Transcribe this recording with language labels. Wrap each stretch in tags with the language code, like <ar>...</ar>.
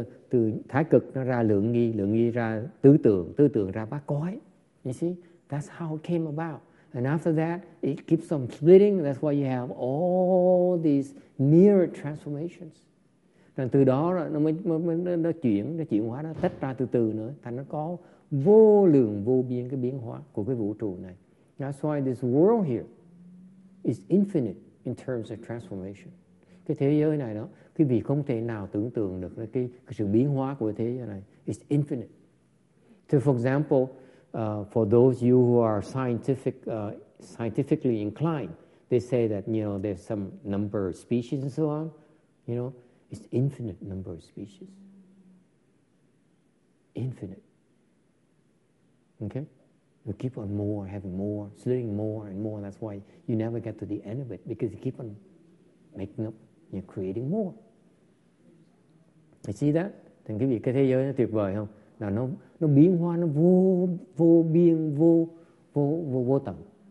<vi>Từ thái cực nó ra lượng nghi ra tư tưởng ra bát quái.</vi> <en>You see, that's how it came about. And after that, it keeps on splitting. That's why you have all these mirror transformations.</en> <vi>Rồi từ đó nó chuyển, nó chuyển hóa, nó tách ra từ từ nữa, thành nó có vô lượng vô biên cái biến hóa của cái vũ trụ này.</vi> <en>That's why this world here is infinite in terms of transformation.</en> <vi>Cái thế giới này đó, cái vị không thể nào tưởng tượng được cái sự biến hóa của thế giới này.</vi> <en>It's infinite. So for example, For those of you who are scientifically inclined, they say that, you know, there's some number of species and so on. You know, it's infinite number of species. Infinite. Okay? You keep on more, having more, sitting more and more. That's why you never get to the end of it, because you keep on making up, you're creating more. You see that?</en> <vi>Thành quý vị, cái thế giới nó tuyệt vời không? Là nó biến hóa, nó vô vô biên, vô vô vô vô tận.</vi>